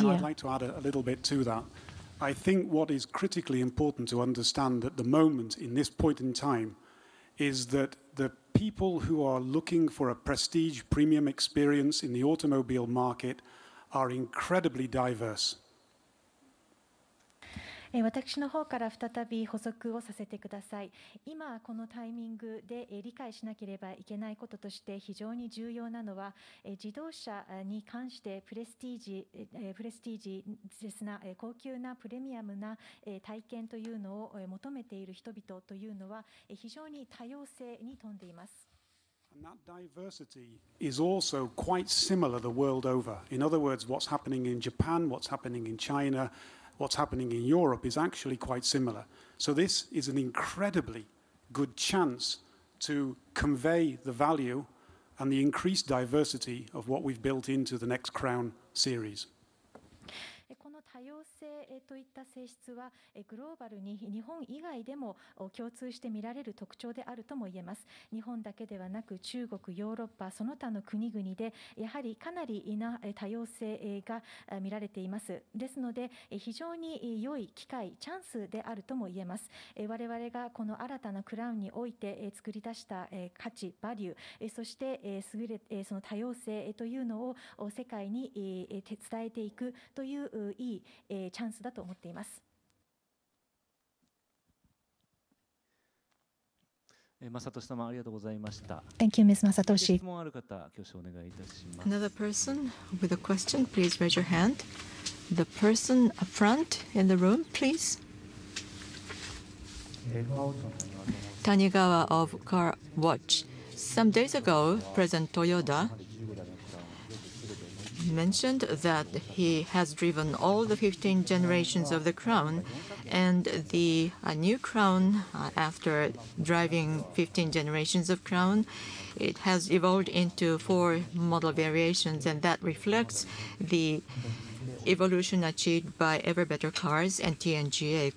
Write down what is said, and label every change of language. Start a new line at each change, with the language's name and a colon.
English: Again, I'd like to add a little bit to that. I think what is critically important to understand at the moment, in this point in time, is that the people who are looking for a prestige premium experience in the automobile market are incredibly diverse.
Japanese: 私の方から再び補足をさせてください。今このタイミングで理解しなければいけないこととして非常に重要なのは、自動車に関してプレスティージですな、高級なプレミアムな体験というのを求めている人々というのは非常に多様性に富んでいます。
English: And that diversity is also quite similar the world over. In other words, what's happening in Japan, what's happening in China, what's happening in Europe is actually quite similar. So this is an incredibly good chance to convey the value and the increased diversity of what we've built into the next Crown series.
Japanese: 多様性といった性質はグローバルに日本以外でも共通して見られる特徴であるとも言えます。日本だけではなく中国、ヨーロッパ、その他の国々でやはりかなりな多様性が見られています。ですので非常に良い機会、チャンスであるとも言えます。我々がこの新たなクラウンにおいて作り出した価値、バリュー、そして優れその多様性というのを世界に伝えていくといういいチャンスだと思っています。マサトシ様ありがとうございました。
English: Thank you, Ms. Masatoshi.
Japanese: 質問ある方挙手お願いいたします。
English: Another person with a question, please raise your hand. The person up front in the room, please. 谷川 of Car Watch. Some days ago, President Toyoda mentioned that he has driven all the 15 generations of the Crown, and the new Crown, after driving 15 generations of Crown, it has evolved into four model variations, and that reflects the evolution achieved by Ever Better Cars and TNGA.